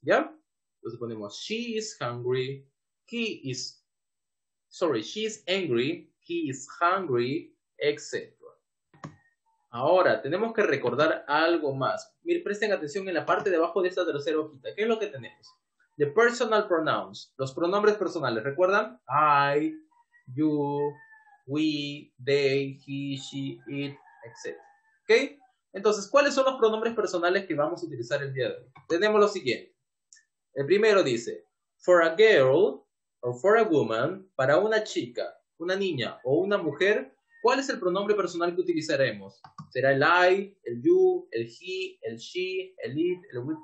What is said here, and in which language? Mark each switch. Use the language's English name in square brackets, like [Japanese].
[Spanish] ¿Ya? Entonces ponemos [English] she is hungry. He is. Sorry, she is angry. He is hungry, etc. [Spanish] Ahora, tenemos que recordar algo más. Miren, presten atención en la parte de abajo de esta tercera hojita. ¿Qué es lo que tenemos? [English] The personal pronouns. [Spanish] Los pronombres personales. ¿Recuerdan? [English] I, you, we, they, he, she, it, etc. [Spanish] ¿Ok? Entonces, ¿cuáles son los pronombres personales que vamos a utilizar el día de hoy? Tenemos lo siguiente. El primero dice, [English] for a girl or for a woman, [Spanish] para una chica, una niña o una mujer, ¿cuál es el pronombre personal que utilizaremos? ¿Será el I, el you, el he, el she, el it, el we?